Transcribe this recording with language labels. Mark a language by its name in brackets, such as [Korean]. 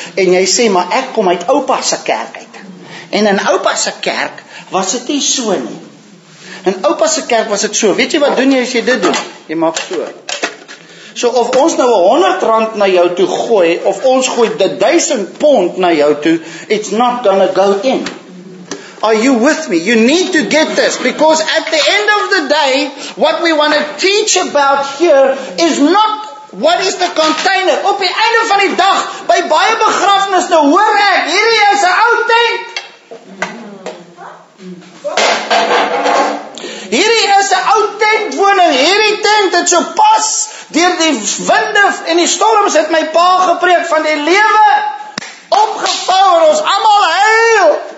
[Afrikaans] En jy sê, maar ek kom uit oupa se kerk uit. En in oupa se kerk was dit nie so nie. In oupa se kerk was dit so. Weet jy wat doen jy as jy dit doen? Jy maak so. So of ons nou 100 rand na jou toe gooi, of ons gooi die 1000 pond na jou toe, [English] it's not gonna go in. Are you with me? You need to get this. Because at the end of the day, what we want to teach about here is not what is the container. [Afrikaans] Op die einde van die dag, by baie begrafnis, nou hoor ek, hierdie is 'n ou tent. Hierdie is 'n ou tentwoning. Hierdie tent het so pas deur die winde en die storms het my pa gepreek van die lewe opgevou en ons almal heil.